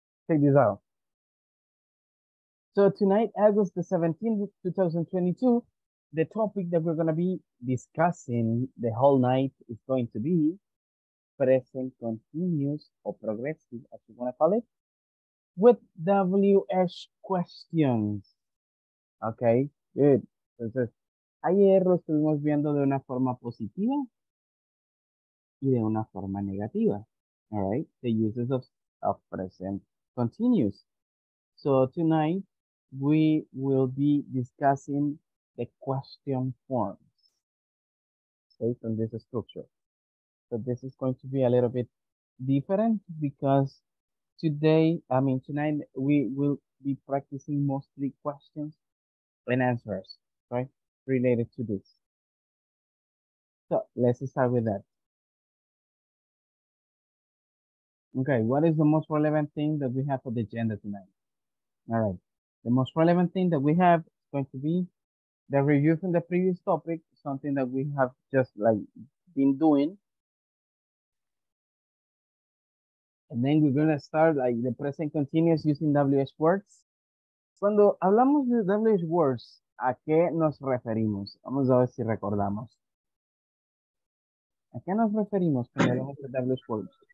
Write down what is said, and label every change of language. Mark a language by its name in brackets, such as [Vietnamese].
[English] Check this out. So tonight, August the 17th, 2022, the topic that we're going to be discussing the whole night is going to be present continuous or progressive, as you want to call it, with WH questions. Okay, good. [Spanish] Entonces, ayer lo estuvimos viendo de una forma positiva y de una forma negativa. [English] All right, the uses of present continuous. So tonight, we will be discussing the question forms based on this structure. So this is going to be a little bit different because tonight we will be practicing mostly questions and answers, right? Related to this. So let's start with that. Okay, what is the most relevant thing that we have for the agenda tonight? All right. The most relevant thing that we have is going to be the review from the previous topic, something that we have just like been doing. And then we're going to start like the present continuous using WH words. [Spanish] Cuando hablamos de WH words, ¿a qué nos referimos? Vamos a ver si recordamos. ¿A qué nos referimos cuando hablamos de WH words?